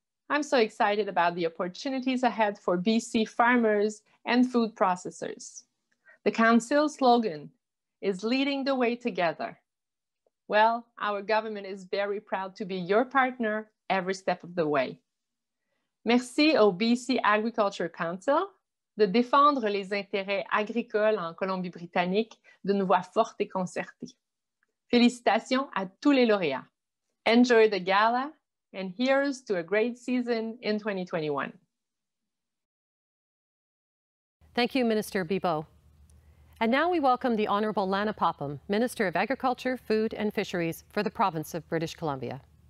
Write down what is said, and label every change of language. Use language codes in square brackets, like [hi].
[en] I'm so excited about the opportunities ahead for BC farmers and food processors. The council slogan is "Leading the Way Together." Well, our government is very proud to be your partner every step of the way. [fr] Merci au BC Agriculture Council de défendre les intérêts agricoles en Colombie-Britannique d'une voix forte et concertée. Félicitations à tous les lauréats. [en] Enjoy the gala, and here's to a great season in 2021. Thank you, Minister Bibeau. And now we welcome the Honourable Lana Popham, Minister of Agriculture, Food and Fisheries for the Province of British Columbia.